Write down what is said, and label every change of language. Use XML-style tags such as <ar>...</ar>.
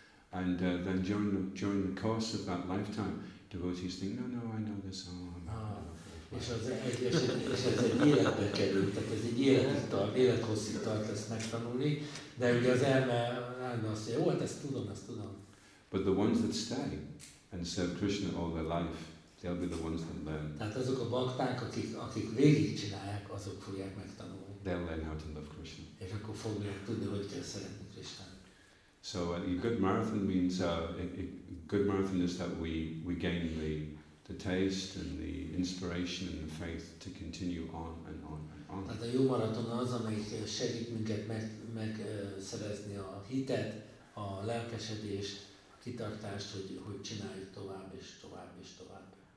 <en>And then during the course of that lifetime, devotees think, no, I know this all. Oh,</en> <hu>és ez egy életbe került, tehát ez egy élethosszig tart ezt megtanulni, de ugye az elme rána azt mondja, ezt tudom.</hu> <en>But the ones that stay and serve Krishna all their life, they'll be the ones that learn.</en> <hu>Tehát azok a bhakták, akik végigcsinálják, azok fogják megtanulni.</hu> <en>They'll learn how to love Krishna.</en> <hu>És akkor fogják tudni, hogy kell szeretni Krishnát.</hu> <en>So a good marathon means good marathon is that we gain the taste and the inspiration and the faith to continue on and on and on.</en> <hu>Tehát a jó maraton az, amelyik segít minket megszerezni a hitet, a lelkesedést, a kitartást, hogy csináljuk tovább és tovább és tovább.</hu>